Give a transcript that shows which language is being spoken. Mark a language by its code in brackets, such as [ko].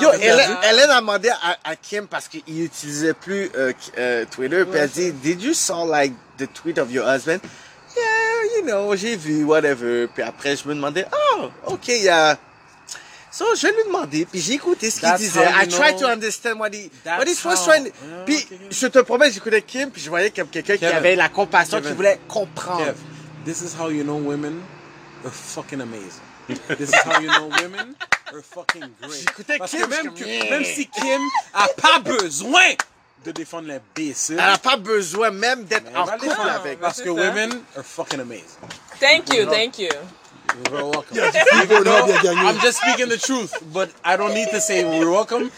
[fr] Yo, Ellen a demandé à Kim parce qu'il utilisait plus Twitter. Ouais, puis elle a dit, [en] did you saw like the tweet of your husband? Yeah, you know, [fr] j'ai vu, [en] whatever. [fr] Puis après, je me demandais, oh, ok, il y a... So, je lui demandais, puis j'ai écouté ce qu'il disait. [en] I tried to understand what he was trying. [fr] Puis, je te promets, j'écoutais Kim, puis je voyais comme quelqu'un qui avait la compassion, qui voulait comprendre. [en] Kev, this is how you know women are fucking amazing. This is how you know women are fucking great. [fr] J'écoutais parce Kim, que même, que, même si Kim a pas besoin de défendre les BC. Elle a pas besoin même d'être en couple avec. Parce que [en] women are fucking amazing. Thank you, thank you. You're welcome. No, I'm just speaking the truth, but I don't need to say you're welcome.